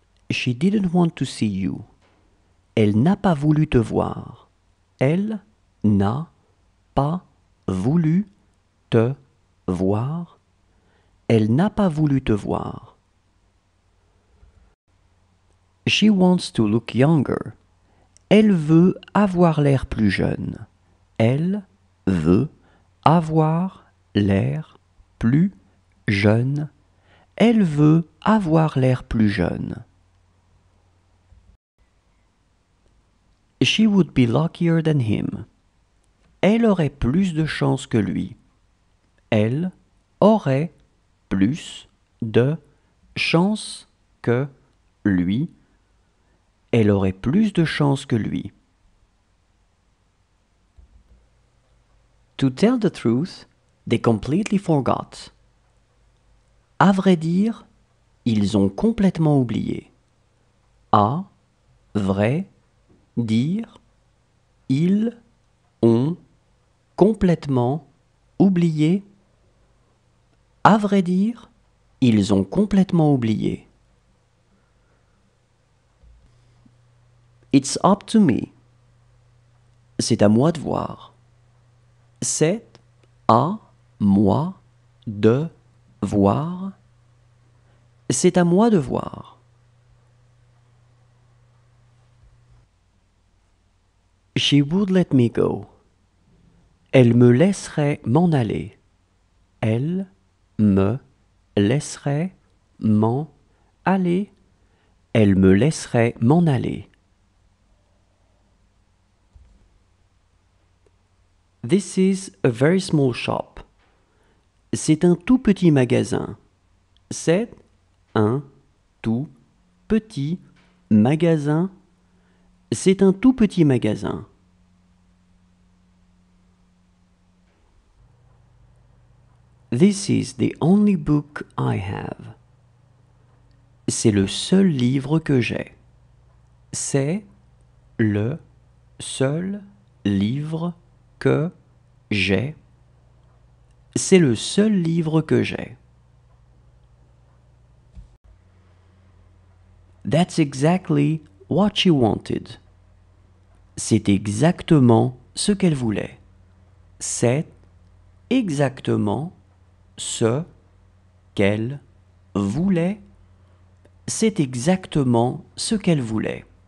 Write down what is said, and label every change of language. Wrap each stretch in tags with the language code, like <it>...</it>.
<en>She didn't want to see you.</en> <fr>Elle n'a pas voulu te voir. Elle n'a pas voulu te voir. Elle n'a pas voulu te voir.</fr> <en>She wants to look younger.</en> <fr>Elle veut avoir l'air plus jeune. Elle veut avoir l'air plus jeune. Elle veut avoir l'air plus jeune.</fr> <en>She would be luckier than him.</en> <fr>Elle aurait plus de chance que lui. Elle aurait plus de chance que lui. Elle aurait plus de chance que lui.</fr> <en>To tell the truth, they completely forgot.</en> <fr>À vrai dire, ils ont complètement oublié. À vrai dire, ils ont complètement oublié. À vrai dire, ils ont complètement oublié.</fr> <en>It's up to me.</en> <fr>C'est à moi de voir. C'est à moi de voir. C'est à moi de voir.</fr> <en>She would let me go.</en> <fr>Elle me laisserait m'en aller. Elle me laisserait m'en aller. Elle me laisserait m'en aller.</fr> <en>This is a very small shop.</en> <fr>C'est un tout petit magasin. C'est un tout petit magasin. C'est un tout petit magasin.</fr> <en>This is the only book I have.</en> <fr>C'est le seul livre que j'ai. C'est le seul livre que j'ai. C'est le seul livre que j'ai.</fr> <en>That's exactly what she wanted.</en> <fr>C'est exactement ce qu'elle voulait. C'est exactement ce qu'elle voulait, c'est exactement ce qu'elle voulait.</fr>